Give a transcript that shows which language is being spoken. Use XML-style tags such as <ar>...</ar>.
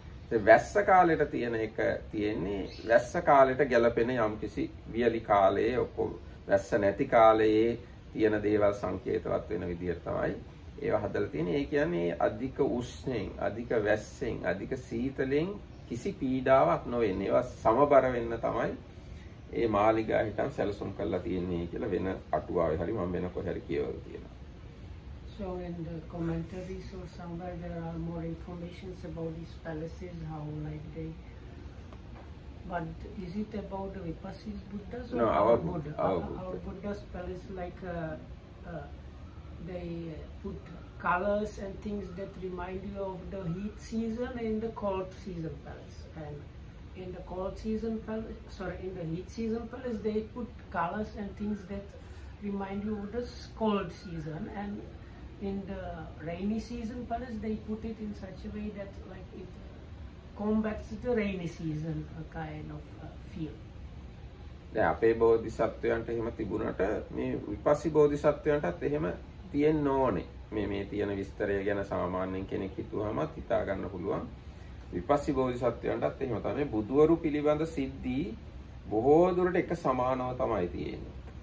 <si>ඉතින් වැස්ස කාලෙට තියෙන එක තියෙන්නේ වැස්ස කාලෙට ගැලපෙන යම්කිසි වියලි කාලයේ ඔක්කොම වැස්ස නැති කාලයේ තියෙන දේවල් සංකේතවත් වෙන විදිහට තමයි ඒවා හදලා තියෙන්නේ. ඒ කියන්නේ අධික උෂ්ණයෙන්, අධික වැස්සෙන්, අධික සීතලෙන් කිසි පීඩාවක් නොවෙන්නේ. ඒවා සමබර වෙන්න තමයි ඒ මාලිගා හිටන් සැලසුම් කරලා තියෙන්නේ කියලා වෙන අටුවාවේ හරි මම වෙන කොහේ හරි කියවලා තියෙනවා.</si> <en>So in the commentaries or somewhere there are more information about these palaces, how like they... But is it about the Vipassis Buddhas or no, our Buddha? Our Buddha. Our Buddha's palace like a... they put colors and things that remind you of the heat season in the cold season palace. And in the cold season palace, sorry, in the heat season palace, they put colors and things that remind you of the cold season. And in the rainy season palace, they put it in such a way that like it combats the rainy season, a kind of feel.</en> <si>දැන් අපේ බෝධිසත්වයන්ට එහෙම තිබුණාට මේ විපස්සී බෝධිසත්වයන්ටත් එහෙම තියෙන්න ඕනේ. මේ මේ තියෙන විස්තරය ගැන සාමාන්‍යයෙන් කෙනෙක් හිතුවම හිතා ගන්න පුළුවන්. විපස්සී බෝධිසත්වයන්ටත් එහෙම තමයි. බුදුවරු පිළිබඳ සිද්ධි බොහෝ දුරට එක සමානව තමයි තියෙන්නේ.</si>